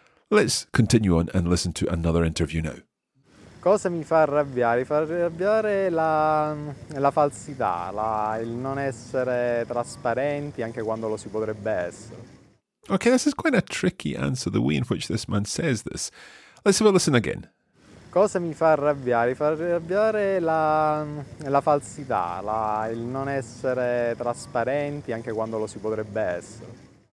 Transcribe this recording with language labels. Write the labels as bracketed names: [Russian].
[English] Let's continue on and listen to another interview now. [Italian] Cosa mi fa arrabbiare? Mi fa arrabbiare la falsità, il non essere trasparenti anche quando lo si potrebbe essere. [English] Okay, this is quite a tricky answer, the way in which this man says this. Let's have a listen again. [Italian] Cosa mi fa arrabbiare? Mi fa arrabbiare la falsità, il non essere trasparenti anche quando lo si potrebbe essere.